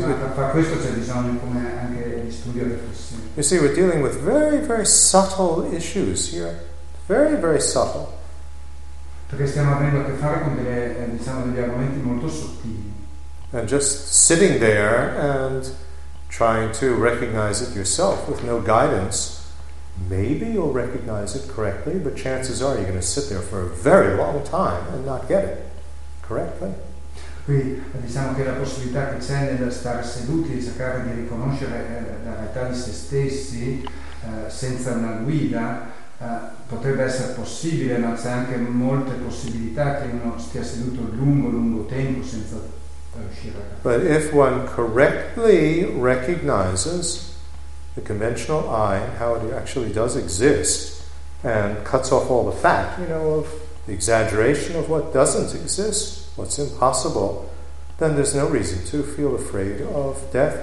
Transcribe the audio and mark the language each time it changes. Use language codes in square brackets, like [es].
[it] per questo c'è bisogno, come anche di studio riflessivo. [en] You see, we're dealing with very, very subtle issues here, very, very subtle. [it] Perché stiamo avendo a che fare con degli argomenti molto sottili. [en] And just sitting there and trying to recognize it yourself with no guidance, maybe you'll recognize it correctly, but chances are you're going to sit there for a very long time and not get it correctly. [it] Qui diciamo che la possibilità che c'è nel stare seduti e cercare di riconoscere la realtà di se stessi senza una guida potrebbe essere possibile, ma c'è anche molte possibilità che uno stia seduto lungo tempo senza [en] But if one correctly recognizes the conventional I, how it actually does exist, and cuts off all the fat, you know, of the exaggeration of what doesn't exist, what's impossible, then there's no reason to feel afraid of death.